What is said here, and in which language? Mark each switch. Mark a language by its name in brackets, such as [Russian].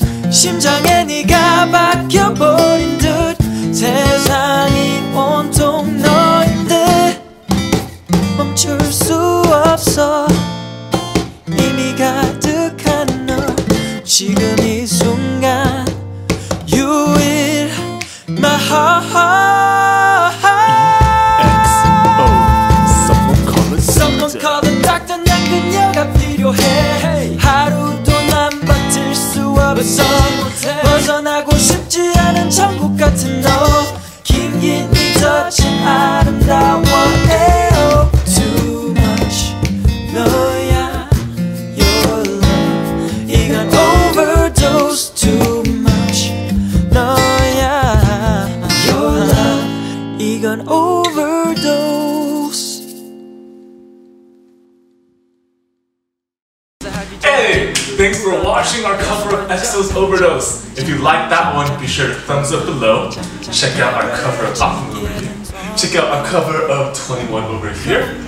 [Korean] 심장에 네가 박혀버린 듯 세상이 온통 너인데 멈출 수 없어. 이미 가득한 너 지금 이 순간 [English] You in my heart. XO. Someone call the doctor. Someone call the doctor. [Korean] 난 그녀가 필요해. Hey. 하루도 난 버틸 수 없어. 벗어나고 싶지 않은 천국 같은 너. 긴긴 미터진 아름다워. [English] Ayo, too much [Korean] 너야 [English] your love. [Korean] 이건 overdose. [English] Too much [Korean] 너야 [English] your love. [Korean] 이건 overdose. [English] Thanks for watching our cover of EXO's Overdose. If you like that one, be sure to thumbs up below. Check out our cover of Off Moon over here. Check out our cover of 21 over here.